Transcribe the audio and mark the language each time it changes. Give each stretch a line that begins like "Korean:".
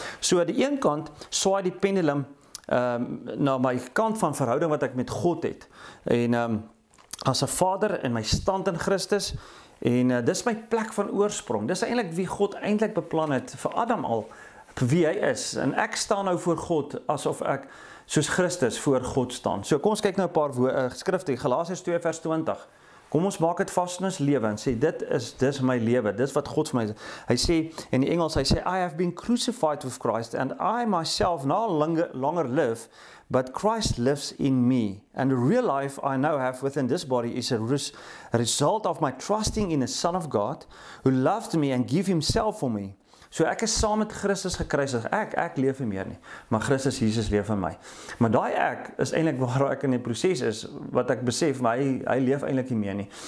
Afrikaans: So, die een kant, swaai die pendulum, na my kant van verhouding, wat ek met God het, en as 'n vader, en my stand in Christus, en dis my plek van oorsprong, dis eintlik wie God eintlik beplan het, vir Adam al, wie hy is, en ek staan nou voor God, asof ek, soos Christus voor God staan. So kom ons kyk nou 'n paar skrifte, Galasiërs 2 vers 20. Kom ons maak het vast in ons lewe en sê, dis my lewe, dis wat God vir my sê. Hy sê, in die Engels, hy sê,
English: I have been crucified with Christ and I myself no longer live, but Christ lives in me. And the real life I now have within this body is a result of my trusting in the Son of God, who loved me and gave himself for me.
Afrikaans: So ek is saam met Christus gekruisig, ek leef nie meer nie, maar Christus Jesus leef in my. Maar daai ek is eintlik waar ek in die proses is, wat ek besef, maar hy leef eintlik nie meer nie.